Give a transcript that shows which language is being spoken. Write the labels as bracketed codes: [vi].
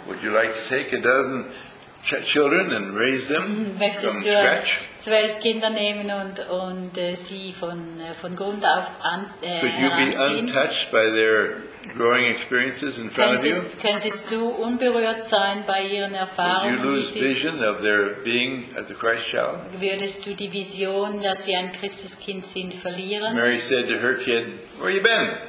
[en] Would you like to take a dozen children and raise them [de] möchtest [en] from scratch? [de] 12 Kinder nehmen und sie von Grund auf anziehen? [en] Could you be untouched by their growing experiences in front of you? [de] Könntest du unberührt sein bei ihren Erfahrungen? [en] Would you lose vision of their being at the Christ child? [de] Würdest du die Vision, dass sie ein Christuskind sind, verlieren? [en] Mary said to her kid, "Where you been?"